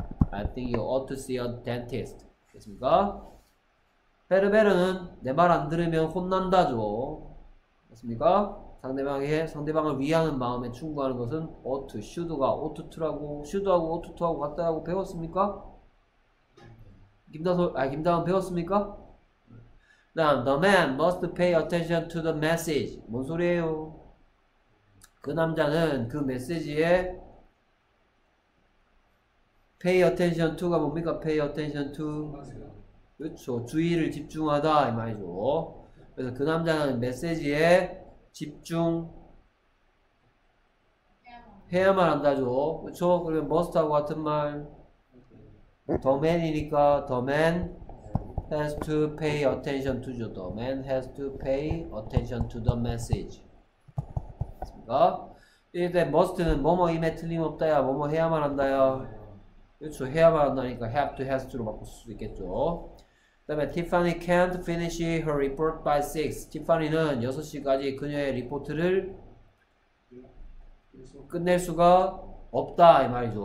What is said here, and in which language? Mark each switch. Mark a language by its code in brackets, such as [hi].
[en] I think you ought to see a dentist. [ko] 됐습니까? 베르베르는 내말안 들으면 혼난다죠. 맞습니까? 상대방을 위하는 마음에 충고하는 것은 ought, should가 ought to라고, should하고 ought to하고 같다고 배웠습니까? 김다은 배웠습니까? 다음, [en] the man must pay attention to the message. [ko] 뭔 소리예요? 그 남자는 그 메시지에 [en] pay attention to [ko] 가 뭡니까? [en] pay attention to. [ko] 그렇죠. 주의를 집중하다 이 말이죠. 그래서 그 남자는 메시지에 집중해야만 한다죠. 그렇죠. 그러면 must하고 같은 말 [en] the man이니까 the man has to pay attention to [ko] 죠. [en] The man has to pay attention to the message. [ko] 맞습니까? 이때 must는 뭐뭐임에 틀림없다야 뭐뭐 해야만 한다야. 그렇죠. 해야만 한다니까 [en] have to, has to [ko] 로 바꿀 수 있겠죠. 그 다음에 티파니 [en] can't finish her report by 6. [ko] 티파니는 6시까지 그녀의 리포트를 끝낼 수가 없다 이 말이죠.